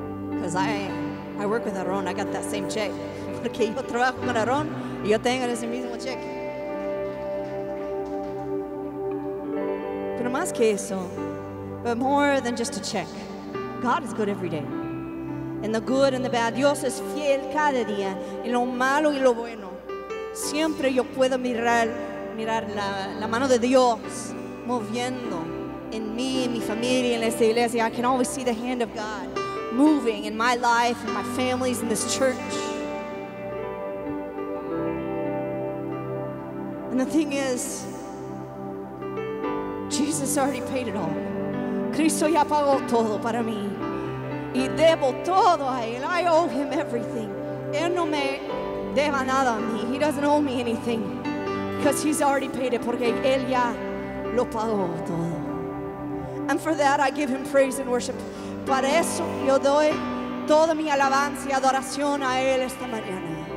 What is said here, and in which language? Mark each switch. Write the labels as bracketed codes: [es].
[en] Because I work with Aaron, I got that same check. [es] Porque yo trabajo con Aaron y yo tengo ese mismo check. Pero más que eso, [en] but more than just a check. God is good every day. And the good and the bad, [es] Dios es fiel cada día. En lo malo y lo bueno. Siempre yo puedo mirar la mano de Dios moviendo. [en] In me, in my family, in this iglesia, I can always see the hand of God moving in my life, in my families, in this church. And the thing is, Jesus already paid it all. [es] Cristo ya pagó todo para mí. Y debo todo a Él. [en] I owe Him everything. [es] Él no me deba nada a mí. [en] He doesn't owe me anything. Because He's already paid it. [es] Porque Él ya lo pagó todo. [en] And for that, I give Him praise and worship. [es] Para eso, yo doy toda mi alabanza y adoración a Él esta mañana.